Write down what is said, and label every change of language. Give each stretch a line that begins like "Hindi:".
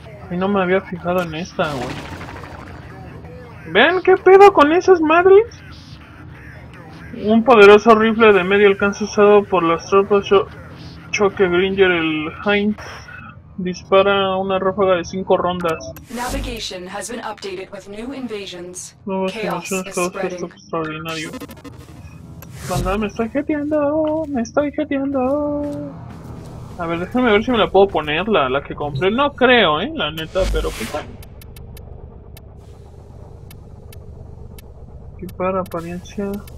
Spanish: Ay, no me había fijado en esta, güey. ¿Ven qué pedo con esas madres? Un poderoso rifle de medio alcance usado por las tropas Choque Gringer, el Heinz, dispara una ráfaga de 5 rondas.
English: Navigation has been updated with new invasions.
Spanish: Nuevas invasiones, caos es extraordinario. Banda, me estoy jeteando, me estoy jeteando. A ver, déjenme ver si me la puedo poner, la que compré. No creo, la neta, pero qué tal. Equipar apariencia.